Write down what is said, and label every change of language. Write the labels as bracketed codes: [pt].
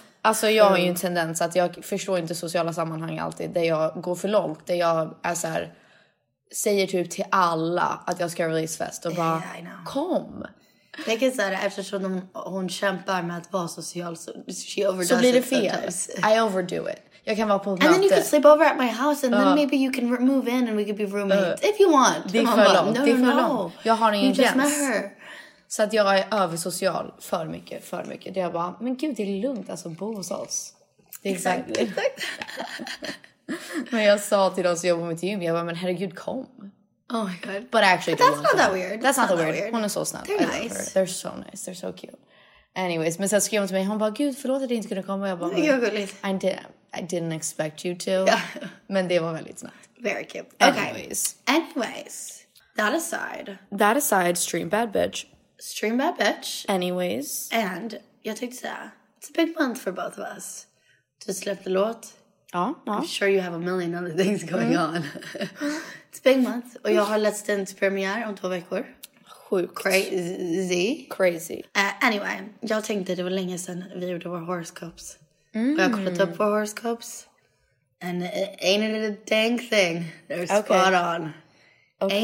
[sv] Alltså, jag har ju en tendens att jag förstår inte sociala sammanhang alltid. Där jag går för långt. Där jag är så här, säger typ till alla att jag ska release fest. Och bara, kom. Jag kan säga det, eftersom hon kämpar med att vara social. [en] She overdoes [sv] it. Så blir det fel. [en] I overdo it. [sv] Jag kan vara på [en] möte. And then you can sleep over at my house and then maybe you can move in and we could be roommates if you want. [sv] Det är för långt. Jag har ingen [en] gräns. You just met her. [sv] Så att jag är översocial för mycket. Det är bara, men gud, det är lugnt, alltså, bo hos oss. [en] Exactly. [sv] Men jag sa till dem som jobbar med gym, jag bara, men herregud, kom. [en] Oh my god. But actually, but that's not that weird. [sv] Hon är så snabb. [en] They're nice. They're so nice. They're so cute. [sv] Anyways, men sen skrev hon till mig, hon bara, gud, förlåt att du inte kunde komma. Jag bara, [en] I didn't expect you to. [sv] Men det var väldigt snabbt. [en] Very cute. Okay. Anyways. That aside, stream bad bitch. Stream bad bitch. Anyways. And [sv] jag tänkte säga, [en] it's a big month for both of us. To släpp the låt. [sv] Ja. [en] I'm sure you have a million other things going on. It's a big month. [sv] Och jag har Let's Dance premiär om 2 veckor. Sjukt. [en] Crazy. [sv] Anyway, jag tänkte det var länge sedan vi gjorde våra horoscopes. Mm. Jag har kollat upp på horoscopes. [en] And ain't it a dang thing? They're spot on. Okay.